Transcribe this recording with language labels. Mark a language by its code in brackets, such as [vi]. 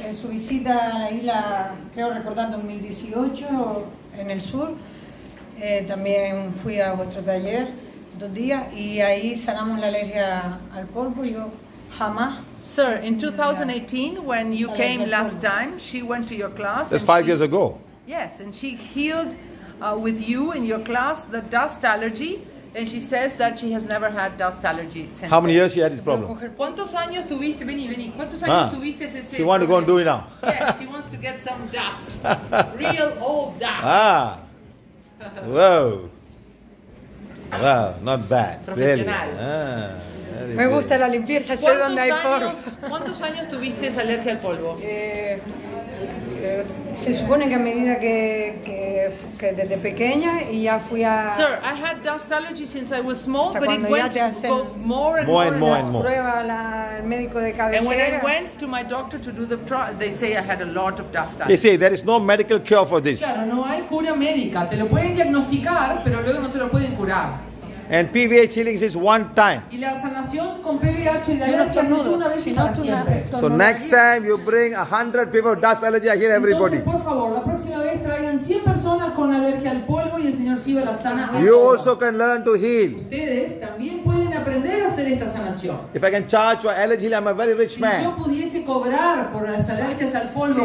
[es] En su visita a la isla, creo recordar 2018, en el sur. También fui a vuestro taller dos días y ahí sanamos la alergia al polvo. Yo jamás. [en] Sir, in 2018, when you came last time, she went to your class. That's 5 years ago. Yes, and she healed with you in your class the dust allergy, and she says that she has never had dust allergy since. How many years she had this problem? [es] ¿Cuántos años tuviste? Vení. ¿Cuántos años tuviste ese? [en] She wants to go and do it now. Yes, she wants to get some dust. Real old dust. Ah. Whoa. Wow, not bad. Really. [es] Me gusta la limpieza, sé donde hay polvo. ¿Cuántos años tuviste esa alergia al polvo? Se supone que a medida que desde pequeña y ya fui a... [en] Sir, I had dust allergy since I was small, but it went to go more and more. [es] Prueba la, el médico de cabecera. [en] And when I went to my doctor to do the trial, they say I had a lot of dust allergy. They say there is no medical cure for this. [es] Claro, no hay cura médica. Te lo pueden diagnosticar, pero luego no te lo pueden curar. [en] And PVH healing is one time. [es] Y la sanación con PVH de allergia es una vez y para siempre. [en] So next time you bring 100 people with dust allergy, I hear everybody. [es] Entonces, por favor, la próxima vez traigan 100 personas con alergia al polvo y el señor Siva la sana. [en] You also can learn to heal. [es] Ustedes también pueden aprender a hacer esta sanación. [en] If I can charge for allergy, I'm a very rich man. [es] Si yo pudiese cobrar por las alergias al polvo,